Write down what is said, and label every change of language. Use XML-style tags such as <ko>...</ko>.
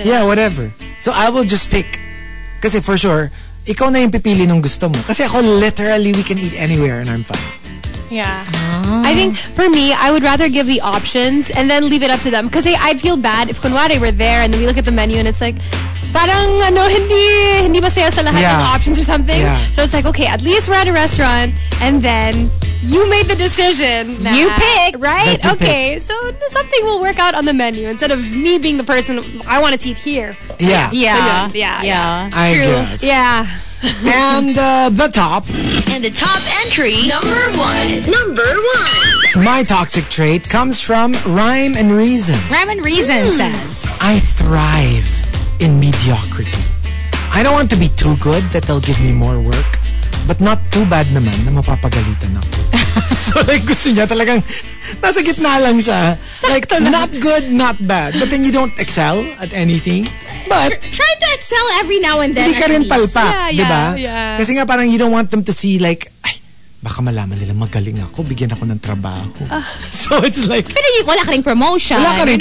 <en>Whatever. So I will just pick. Because for sure,</en> <tl>ikaw na yung pipili nung gusto mo.</tl> <en>Kasi ako literally, we can eat anywhere and I'm fine. Yeah. I think for me, I would rather give the options and then leave it up to them. Because I'd feel bad if kunwari were there and then we look at the menu and it's like,</en> <tl>parang ano, hindi masaya sa lahat ng options or something.</tl> <en>Yeah. So it's like, okay, at least we're at a restaurant and then you made the decision. Nah. You pick. Right? That's okay. So something will work out on the menu instead of me being the person, I want to eat here. Yeah. Yeah. So, yeah. True. I guess. Yeah. And the top. And the top entry. Number one. Number one. My toxic trait comes from Rhyme and Reason. Rhyme and Reason says, I thrive in mediocrity. I don't want to be too good that they'll give me more work, but not too bad</en> <tl>naman na mapapagalitan ako. So like, gusto niya talagang nasa gitna lang siya.</tl> <en>Like, not good, not bad. But then you don't excel at anything. But trying to excel every now and then.</en> <tl>Hindi ka rin palpak,</tl> <en>yeah,</en> <tl>diba?</tl> <en>Yeah. Kasi nga parang you don't want them to see like,</en> <tl>ay, baka malaman nila magaling ako, bigyan ako ng trabaho.</tl> <en>So it's like,</en> <tl>pero wala ka rin promotion. Wala ka rin</tl>